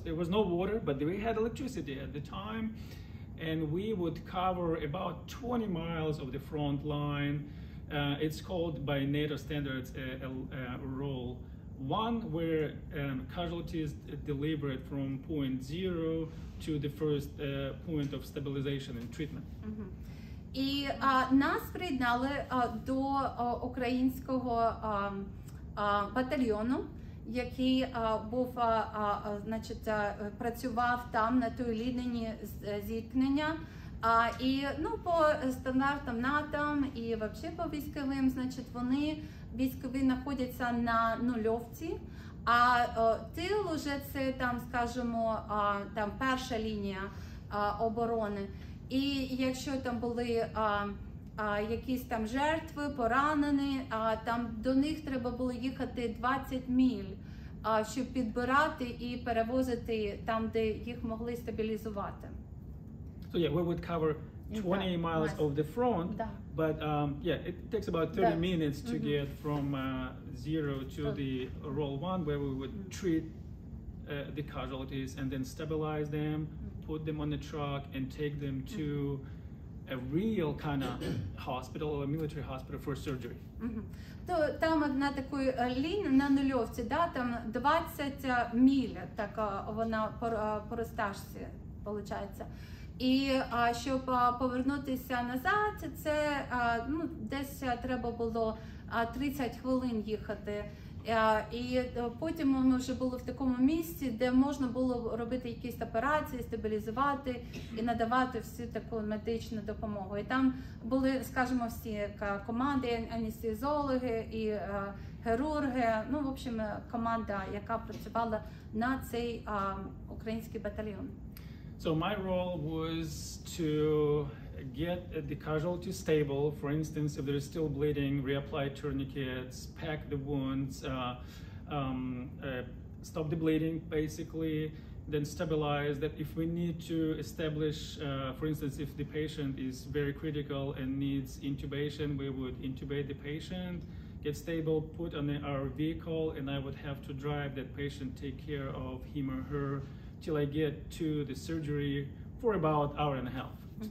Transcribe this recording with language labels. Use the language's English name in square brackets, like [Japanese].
[English] There was no water, but we had electricity at the time. And we would cover about 20 miles of the front line. It's called by NATO standards a roll. One where casualties delivered from point zero to the first point of stabilization and treatment. [Ukrainian] І нас приєднали до українського батальйону, який був, значить, працював там на той лінії зіткнення. І, ну, по стандартам НАТО і взагалі по військовим, значить, вони військові знаходяться на нульовці, а тил уже це там, скажімо, там перша лінія оборони. І якщо там були якісь там жертви, поранені, там до них треба було їхати 20 миль, щоб підбирати і перевозити там, де їх могли стабілізувати. [English] So yeah, we would cover 20 miles of the front, but yeah, it takes about 30 minutes to get from zero to the roll one, where we would treat the casualties and then stabilize them, put them on the truck and take them to a real kind of hospital, a military hospital for surgery. [Ukrainian] То там одна такої лінії на нульовці, да, там 20 миль, така вона по розтяжці виходить. І щоб повернутися назад, це, ну, десь треба було 30 хвилин їхати. І потім ми вже були в такому місці, де можна було робити якісь операції, стабілізувати і надавати всю таку медичну допомогу. І там були, скажімо, всі команди, анестезіологи і хірурги, ну, [Russian] в общем, [Ukrainian] команда, яка працювала на цей український батальйон. [English] So my role was to get the casualty stable. For instance, if they're still bleeding, reapply tourniquets, pack the wounds, stop the bleeding, basically, then stabilize that. If we need to establish, for instance, if the patient is very critical and needs intubation, we would intubate the patient, get stable, put on our vehicle, and I would have to drive that patient, take care of him or her, till I get to the surgery for about an hour and a half. Mm-hmm.